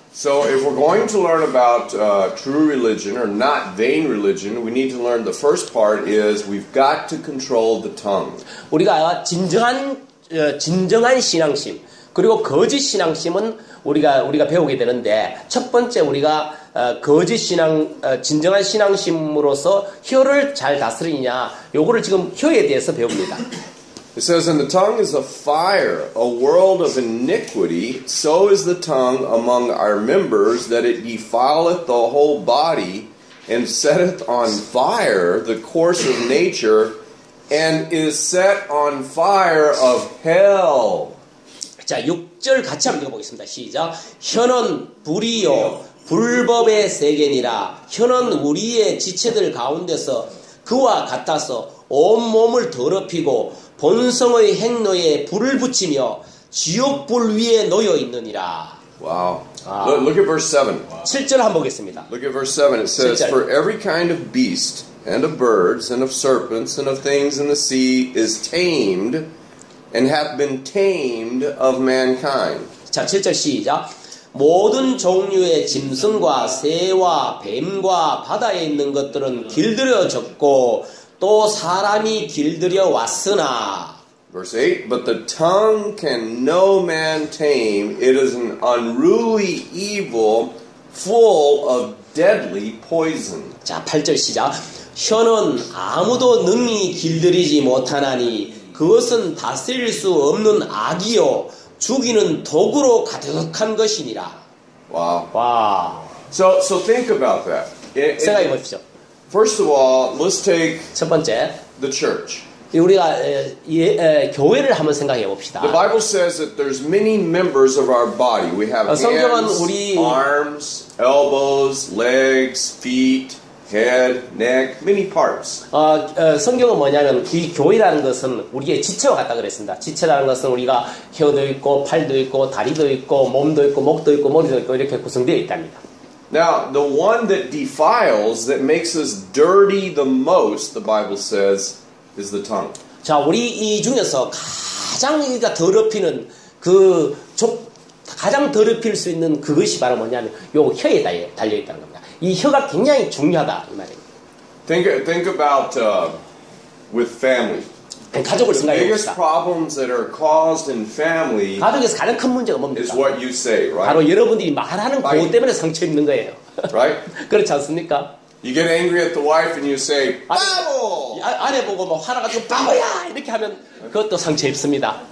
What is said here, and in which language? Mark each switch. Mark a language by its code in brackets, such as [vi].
[en] So if we're going to learn about true religion or not vain religion, we need to learn the first part is we've got to control the tongue. [ko] 우리가 진정한 신앙심 그리고 거짓 신앙심은 우리가 배우게 되는데 첫 번째 우리가 거짓 신앙 진정한 신앙심으로서 혀를 잘 다스리냐 요거를 지금 혀에 대해서 배웁니다. [en] It says, and the tongue is a fire, a world of iniquity. So is the tongue among our members that it defileth the whole body and setteth on fire the course of nature and is set on fire of hell. [ko] 자, 6절 같이 한번 읽어보겠습니다. 시작. 혀는 불이요, 불법의 세계니라. 혀는 우리의 지체들 가운데서 그와 같아서 온 몸을 더럽히고 본성의 행로에 불을 붙이며 지옥 불 위에 놓여 있느니라. [en] Wow. Look at verse 7. [ko] 7절 한번 보겠습니다. [en] Look at verse 7. It says, 7절. For every kind of beast and of birds and of serpents and of things in the sea is tamed and hath been tamed of mankind. [ko] 자, 7절 시작. 모든 종류의 짐승과 새와 뱀과 바다에 있는 것들은 길들여졌고 또 사람이 길들여 왔으나 [en] Verse 8 But the tongue can no man tame it is an unruly evil full of deadly poison [ko] 자 8절 시작 혀는 아무도 능히 길들이지 못하나니 그것은 다스릴 수 없는 악이요 죽이는 독으로 가득한 것이니라 [en] Wow. Wow. So think about that. [ko] 생각해 보십시오. [en] First of all, let's take [ko] 첫 번째, [en] the church. [ko] 우리가 교회를 한번 생각해 봅시다. [en] The Bible says that there's many members of our body. We have hands, [ko] 우리, [en] arms, elbows, legs, feet, head, neck, many parts. [ko] 성경은 뭐냐면 이 교회라는 것은 우리의 지체와 같다 그랬습니다. 지체라는 것은 우리가 혀도 있고 팔도 있고 다리도 있고 몸도 있고 목도 있고 머리도 있고 이렇게 구성되어 있답니다. [en] Now, the one that defiles, that makes us dirty the most, the Bible says, is the tongue. [ko] 자, 우리 이 중에서 가장 우리가 더럽히는 그 가장 더럽힐 수 있는 그것이 바로 뭐냐면 요 혀에 달려 있다는 겁니다. 이 혀가 굉장히 중요하다 이 말입니다. [en] Think about with family. [ko] 가족을 생각해 봅시다. [en] The biggest problems that are caused in family [ko] 가족에서 가장 큰 문제가 뭡니까? [en] Is what you say, right? [ko] 바로 여러분들이 말하는 그것 때문에 상처 입는 거예요. [en] Right? [ko] 그렇지 않습니까? [en] You get angry at the wife and you say, 바보! [ko] 아내 보고 뭐 화나 가지고 바보야! 이렇게 하면 그것도 상처 입습니다.